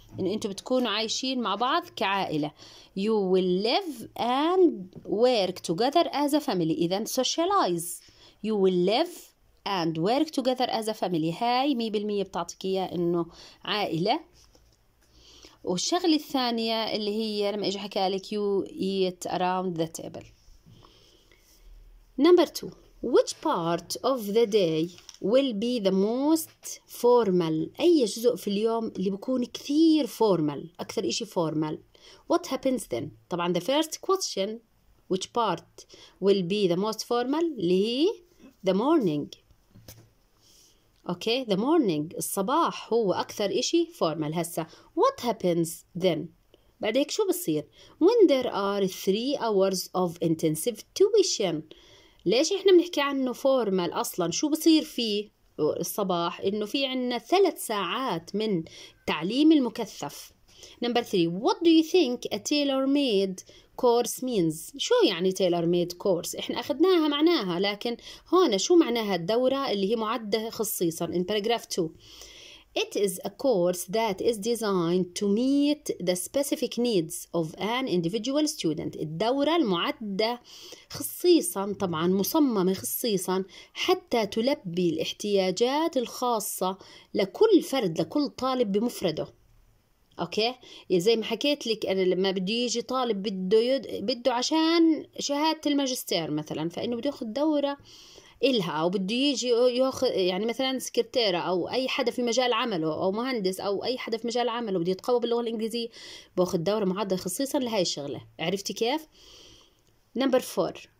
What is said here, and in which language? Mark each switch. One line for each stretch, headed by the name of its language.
Arabic: إن انتوا بتكونوا عايشين مع بعض كعائلة.
English: You will live and work together as a family. إذا socialize. You will live and work together as a family.
Arabic: هاي 100% بتعطيك إياه إنه عائلة. والشغلة الثانية اللي هي لما إجي حكى لك
English: you eat around the table. Number 2, which part of the day will be the most formal?
Arabic: أي جزء في اليوم اللي بيكون كثير formal, أكثر إشي formal.
English: What happens then?
Arabic: طبعا
English: the first question, which part will be the most formal,
Arabic: اللي هي
English: the morning. Okay, the morning,
Arabic: الصباح هو أكثر إشي formal. هسا
English: what happens then,
Arabic: بعد هيك شو بصير,
English: when there are 3 hours of intensive tuition.
Arabic: ليش إحنا بنحكي عنه formal أصلا؟ شو بصير فيه الصباح؟ إنه في عنا 3 ساعات من تعليم المكثف.
English: Number 3, what do you think a tailor-made course means?
Arabic: شو يعني tailor-made course؟ احنا اخذناها معناها, لكن هون شو معناها الدورة اللي هي معدة خصيصا.
English: In paragraph 2, it is a course that is designed to meet the specific needs of an individual student.
Arabic: الدورة المعدة خصيصا, طبعا مصممة خصيصا حتى تلبي الاحتياجات الخاصة لكل فرد, لكل طالب بمفرده. اوكي, زي ما حكيت لك انا لما بده يجي طالب بده عشان شهاده الماجستير مثلا, فانه بده ياخذ دوره إلها, او بده يجي ياخذ يعني مثلا سكرتيره او اي حدا في مجال عمله او مهندس او اي حدا في مجال عمله بده يتقوى باللغه الانجليزيه, باخذ دوره معده خصيصا لهي الشغله. عرفتي كيف؟
English: Number four.